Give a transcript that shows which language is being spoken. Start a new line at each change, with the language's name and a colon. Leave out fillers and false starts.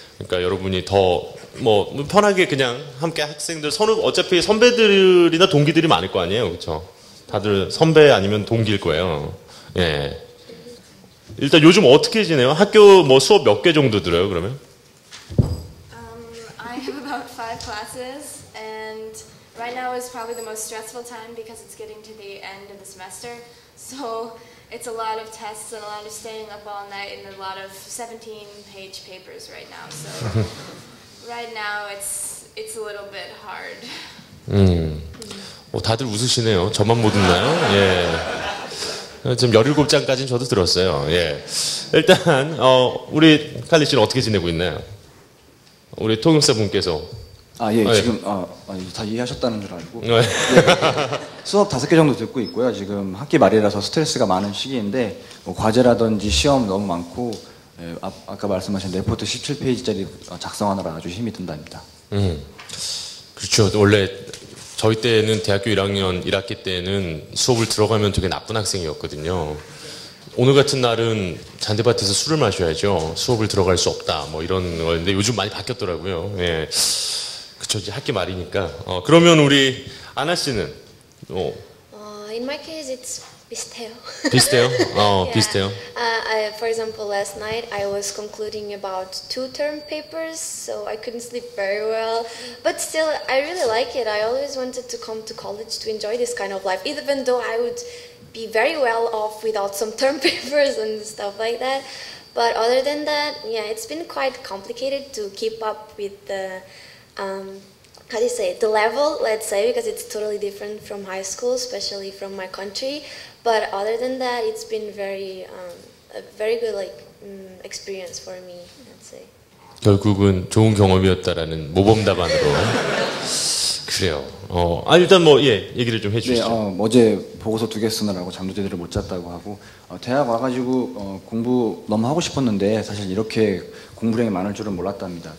Korean: 그러니까 여러분이 더 뭐 편하게 그냥 함께 학생들 어차피 선배들이나 동기들이 많을 거 아니에요. 그렇죠? 다들 선배 아니면 동기일 거예요. 예. 일단 요즘 어떻게 지내요? 학교 뭐 수업 몇 개 정도 들어요, 그러면?
English: I have about 5 classes and right now is probably the most stressful time because it's getting to the end of the semester. So it's a lot of tests and a lot of staying up all night and a lot of 17-page papers right now. So right now it's a little bit hard.
Korean: 다들 웃으시네요. 저만 못 웃나요? 예. 지금 17장까지는 저도 들었어요. 예. 일단 우리 칼리 씨는 어떻게 지내고 있나요? 우리 통역사분께서. 아, 예. 아, 지금 예. 다 이해하셨다는 줄 알고. 예, 예. 수업 5개 정도 듣고 있고요. 지금 학기 말이라서 스트레스가 많은 시기인데 뭐 과제라든지 시험 너무 많고 예, 아까 말씀하신 레포트 17페이지짜리 작성하느라 아주 힘이 든답니다. 그렇죠. 원래 저희 때는 대학교 1학년 1학기 때는 수업을 들어가면 되게 나쁜 학생이었거든요. 오늘 같은 날은 잔디밭에서 술을 마셔야죠. 수업을 들어갈 수 없다. 뭐 이런 거였는데 요즘 많이 바뀌었더라고요. 예. 그렇죠. 이제 학기 말이니까. 그러면 우리 아나 씨는?
English: In my case, it's
Korean: 비슷해요. 비슷해요? 비슷해요.
English: For example, last night I was concluding about two term papers, so I couldn't sleep very well. But still, I really like it. I always wanted to come to college to enjoy this kind of life, even though I would be very well off without some term papers and stuff like that. But other than that, yeah, it's been quite complicated to keep up with the, how do you say it? The level, let's say, because it's totally different from high school, especially from my country. But other than that, it's been very, a very good like experience for me, let's say.
Korean: 결국은 좋은 경험이었다라는 모범답안으로. 그래요. 아 일단 뭐 예 얘기를 좀 해주시죠. 네, 어제 보고서 2개 쓰느라고 잠도 제대로 못 잤다고 하고 대학 와가지고 공부 너무 하고 싶었는데 사실 이렇게 공부량이 많을 줄은 몰랐답니다.